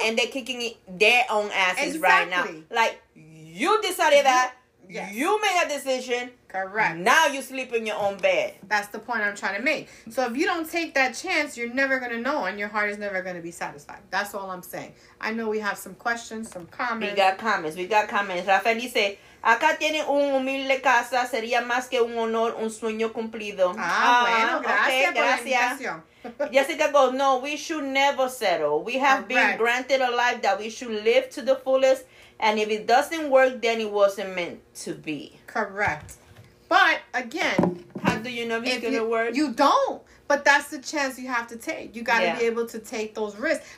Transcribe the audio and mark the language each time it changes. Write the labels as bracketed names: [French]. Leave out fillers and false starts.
[English] And they're kicking their own asses exactly. Right now. Like, you decided that. Yes. You made a decision. Correct. Now you sleep in your own bed. That's the point I'm trying to make. So if you don't take that chance, you're never going to know and your heart is never going to be satisfied. That's all I'm saying. I know we have some questions, some comments. We got comments. [Spanish] Rafael dice, acá tiene un humilde casa. Sería más que un honor, un sueño cumplido. Gracias. [English] Jessica goes, no, we should never settle. We have been granted a life that we should live to the fullest. And if it doesn't work, then it wasn't meant to be. Correct. But, again, how do you know if it's going to work? You don't. But that's the chance you have to take. You got to be able to take those risks.